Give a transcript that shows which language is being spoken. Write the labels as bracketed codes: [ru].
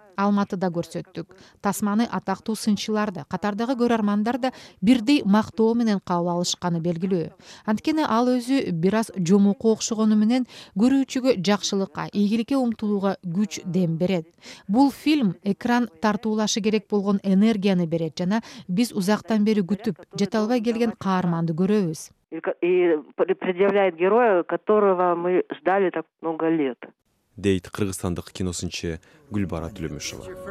[ky] Алматыда көрсөттүк. Тасманы атактуу сынчылар да, Катардагы көрөрмандар да бирдей мактоо менен кабыл алышканы белгилүү. Анткени ал өзү бир аз жомоко окшогону менен көрүүчүгө жакшылыкка, ийгиликке умтулууга күч дем берет. Бул фильм экран тартуулашы керек болгон энергияны берет жана биз узактан бери күтүп, жете албай келген каарманды көрөбүз. [ru] И предъявляет героя, которого мы ждали так много лет. [ky] Дейт кыргызстандык киносунчу Гүлбара Түлөмүшова.